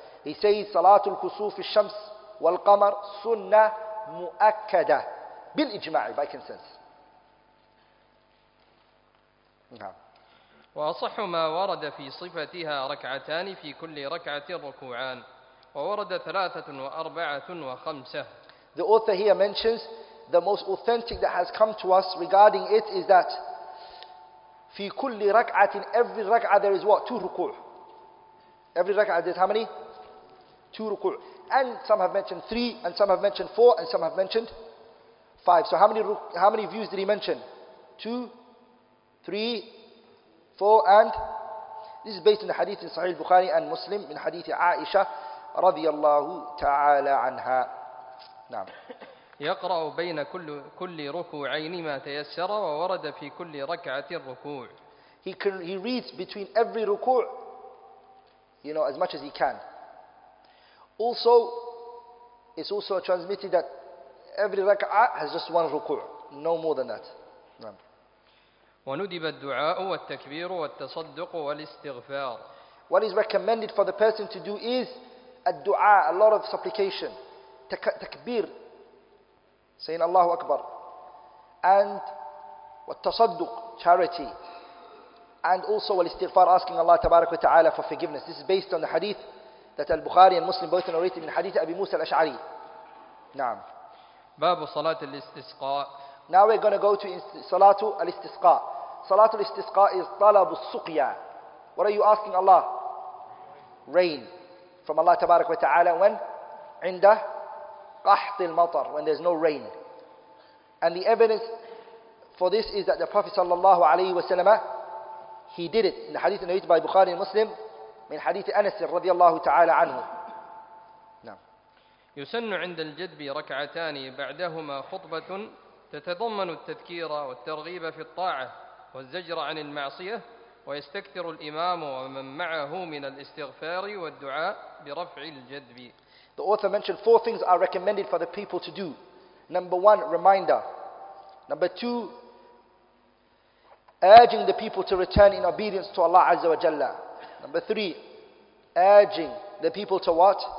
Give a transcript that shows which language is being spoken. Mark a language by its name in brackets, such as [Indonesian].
[English] He says, [Arabic] صلاة الكسوف الشمس والقمر سنة مؤكدة. [English] بالإجماع, by consensus. [Arabic] نعم. وأصح ما ورد في صفتها ركعتان في كل ركعة ركوعان. وورد ثلاثة وأربعة وخمسة. [English] The author here mentions the most authentic that has come to us regarding it is that في كل ركعة, in every ركعة there is what? Two ركوع. Every ركعة there is how many? Two ركوع. And some have mentioned three, and some have mentioned four, and some have mentioned five. So how many views did he mention? Two, three, four, and this is based on the hadith in Sahih Bukhari and Muslim in hadith Aisha [Arabic] رضي الله تعالى عنها. نعم. يقرأ بين كل ركوعين ما تيسر وورد في كل ركعة الركوع. [English] He reads between every ركوع, you know, as much as he can. Also, it's also transmitted that every ركعة has just one ركوع, no more than that. [Arabic] نعم. وندب الدعاء والتكبير والتصدق والاستغفار. [English] What is recommended for the person to do is الدُّعَاء, a lot of supplication, تكبير, saying الله أكبر, and والتصدق, charity, and also والاستغفار, asking Allah تبارك وتعالى for forgiveness. This is based on the hadith that Al-Bukhari and Muslim both narrated in hadith Abi Musa al-Ash'ari. [Arabic] نعم. باب صلاة الاستسقاء. [English] Now we're going to go to صلاة الاستسقاء. [Arabic] صلاة الاستسقاء is طلب السقيا. [English] What are you asking Allah? Rain. From Allah Tabarak wa Ta'ala when? [Arabic] Inda qahti al-matar, [English] when there's no rain. And the evidence for this is that the Prophet sallallahu alayhi wa sallam, he did it in the hadith narrated by Bukhari and Muslim, in hadith Anas radiallahu ta'ala anhu. [Arabic] يسن عند الجدب ركعتان بعدهما خطبة تتضمن التذكير والترغيب في الطاعة والزجر عن المعصية ويستكثر الإمام ومن معه من الاستغفار والدعاء برفع الجدب. [English] The author mentioned four things are recommended for the people to do. Number one, reminder. Number two, urging the people to return in obedience to Allah Azza wa Jalla. Number three, urging the people to what?